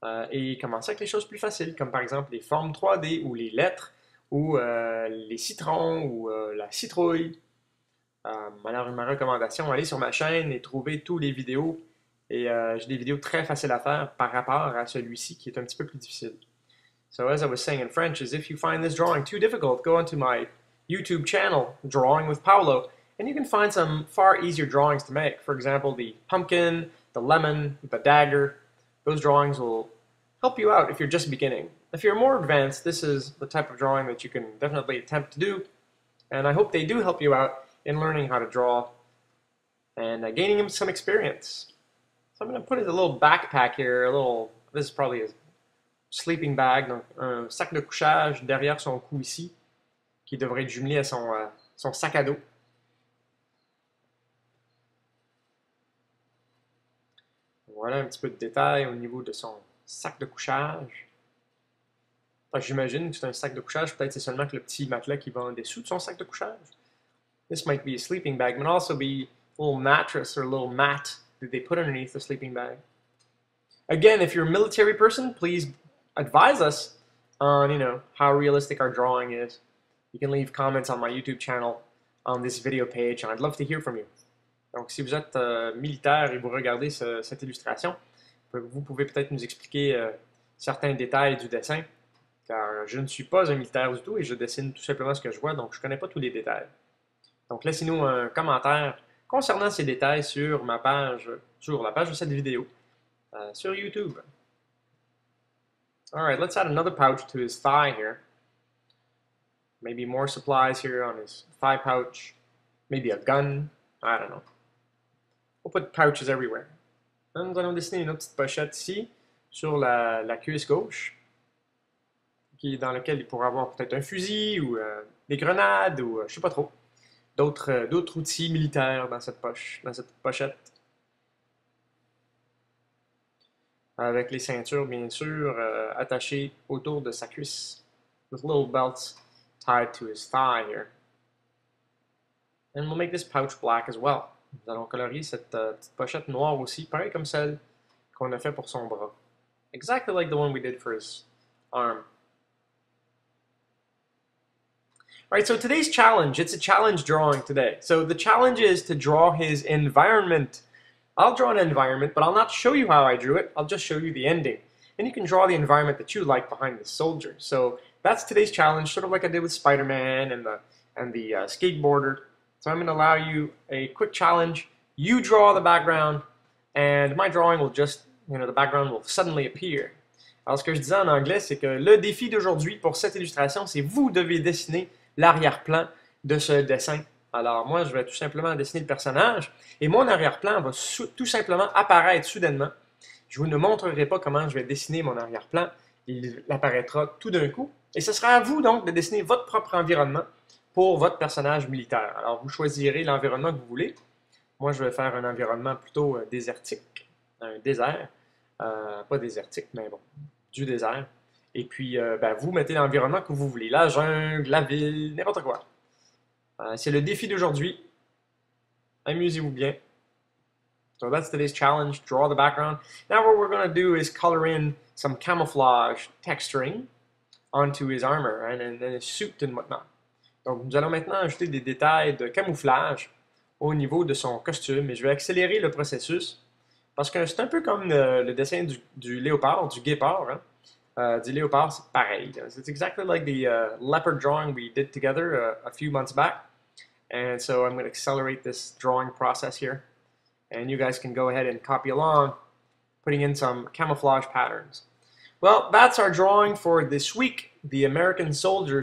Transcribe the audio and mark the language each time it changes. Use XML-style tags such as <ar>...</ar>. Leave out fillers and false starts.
<fr>Et commencer avec les choses plus faciles, comme par exemple les formes 3D, ou les lettres, ou les citrons, ou la citrouille. Alors, ma recommandation, allez sur ma chaîne et trouvez tous les vidéos. Et j'ai des vidéos très faciles à faire par rapport à celui-ci, qui est un petit peu plus difficile.</fr> <en>So, as I was saying in French, is if you find this drawing too difficult, go onto my YouTube channel, Drawing with Paolo, and you can find some far easier drawings to make. For example, the pumpkin, the lemon, the dagger. Those drawings will help you out if you're just beginning. If you're more advanced, this is the type of drawing that you can definitely attempt to do. And I hope they do help you out in learning how to draw and gaining some experience. So I'm going to put in a little backpack here, this is probably a sleeping bag,</en> <fr>donc un sac de couchage derrière son cou ici, qui devrait être jumelé à son sac à dos. Voilà un petit peu de détails au niveau de son sac de couchage. J'imagine que c'est un sac de couchage, peut-être c'est seulement que le petit matelas qui va en dessous de son sac de couchage.</fr> <en>This might be a sleeping bag, but also be a little mattress or a little mat that they put underneath the sleeping bag. Again, if you're a military person, please advise us on, you know, how realistic our drawing is. You can leave comments on my YouTube channel on this video page, and I'd love to hear from you.</en> <fr>Donc, si vous êtes militaire et vous regardez cette illustration, vous pouvez peut-être nous expliquer certains détails du dessin, car je ne suis pas un militaire du tout et je dessine tout simplement ce que je vois, donc je ne connais pas tous les détails. Donc, laissez-nous un commentaire concernant ces détails sur ma page, sur la page de cette vidéo, sur YouTube.</fr> <en>All right, let's add another pouch to his thigh here. Maybe more supplies here on his thigh pouch. Maybe a gun. I don't know. We'll put pouches everywhere.</en> <fr>Et nous allons dessiner une autre petite pochette ici, sur la cuisse gauche, qui, dans laquelle il pourra avoir peut-être un fusil, ou des grenades, ou je sais pas trop. D'autres outils militaires dans cette poche, dans cette pochette. Avec les ceintures, bien sûr, attachées autour de sa cuisse.</fr> <en>With little belts tied to his thigh here. And we'll make this pouch black as well.</en> <fr>Nous allons colorier cette petite pochette noire aussi, pareil comme celle qu'on a fait pour son bras.</fr> <en>Exactly like the one we did for his arm. Alright, so today's challenge, it's a challenge drawing today. So the challenge is to draw his environment. I'll draw an environment, but I'll not show you how I drew it. I'll just show you the ending. And you can draw the environment that you like behind the soldier. So that's today's challenge, sort of like I did with Spider-Man and the skateboarder. So I'm going to allow you a quick challenge. You draw the background, and my drawing will just, you know, the background will suddenly appear.</en> <fr>Alors, ce que je disais en anglais, c'est que le défi d'aujourd'hui pour cette illustration, c'est vous devez dessiner l'arrière-plan de ce dessin. Alors, moi, je vais tout simplement dessiner le personnage, et mon arrière-plan va tout simplement apparaître soudainement. Je vous ne montrerai pas comment je vais dessiner mon arrière-plan. Il apparaîtra tout d'un coup. Et ce sera à vous, donc, de dessiner votre propre environnement pour votre personnage militaire. Alors, vous choisirez l'environnement que vous voulez. Moi, je vais faire un environnement plutôt désertique, un désert. Pas désertique, mais bon, du désert. Et puis, vous mettez l'environnement que vous voulez. La jungle, la ville, n'importe quoi. C'est le défi d'aujourd'hui. Amusez-vous bien.</fr> <en>So that's today's challenge, draw the background. Now what we're going to do is color in some camouflage texturing onto his armor and his suit and whatnot.</en> <fr>Donc, nous allons maintenant ajouter des détails de camouflage au niveau de son costume. Et je vais accélérer le processus parce que c'est un peu comme le dessin du léopard, du guépard. Hein? Du léopard, c'est pareil.</fr> <en>It's exactly like the leopard drawing we did together a few months back. And so I'm going to accelerate this drawing process here. And you guys can go ahead and copy along, putting in some camouflage patterns. Well, that's our drawing for this week, the American soldier.</en>